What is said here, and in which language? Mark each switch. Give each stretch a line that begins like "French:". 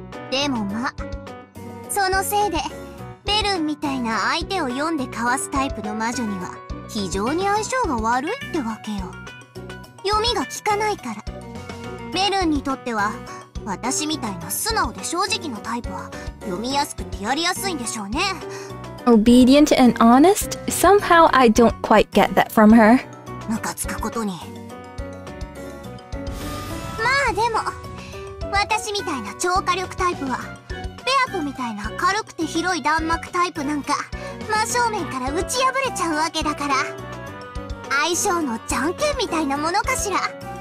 Japanese: でもまあ、そのせいでベルンみたいな相手を読んでかわすタイプの魔女には非常に相性が悪いってわけよ。読みが効かないから。ベルンにとっては私みたいな素直で正直なタイプは読みやすくてやりやすいんでしょうね。
English: Obedient and honest? Somehow I don't quite get that from her.
Japanese: ムカつくことに。まあでも私みたいな超火力タイプはベアトみたいな軽くて広い弾幕タイプなんか真正面から打ち破れちゃうわけだから、相性のじゃんけんみたいなものかしら。